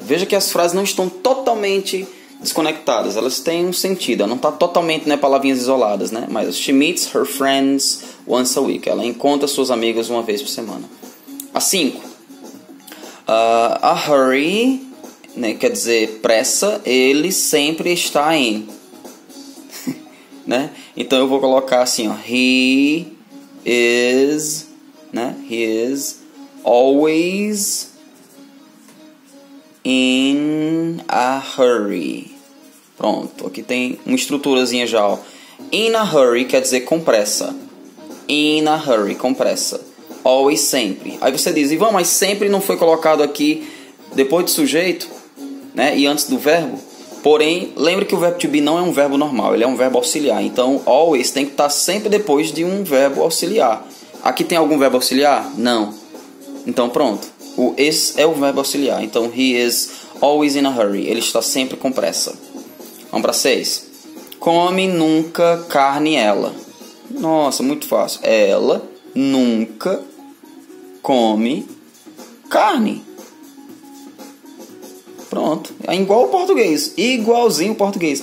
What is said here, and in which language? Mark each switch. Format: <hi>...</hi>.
<pt>Veja que as frases não estão totalmente desconectadas, elas têm um sentido, não está totalmente, né, palavrinhas isoladas, né? Mas</pt> <en>she meets her friends once a week,</en> <pt>ela encontra suas amigas uma vez por semana. A 5, a hurry, né, quer dizer pressa, ele sempre está em, né? Então eu vou colocar assim, ó,</pt> <en>he is, né, he is always in a hurry.</en> <pt>Pronto, aqui tem uma estruturazinha já, ó.</pt> <en>In a hurry</en> <pt>quer dizer com pressa.</pt> <en>In a hurry,</en> <pt>com pressa. Always, sempre. Aí você diz, Ivan, mas sempre não foi colocado aqui depois do sujeito, né, e antes do verbo. Porém, lembre que o verbo to be não é um verbo normal, ele é um verbo auxiliar. Então, always tem que estar sempre depois de um verbo auxiliar. Aqui tem algum verbo auxiliar? Não. Então, pronto. O is é o verbo auxiliar.</pt> <en>Então, he is always in a hurry.</en> <pt>Ele está sempre com pressa. Vamos para 6. Come nunca carne ela. Nossa, muito fácil. Ela nunca come carne. Pronto. É igual o português. Igualzinho o português.</pt>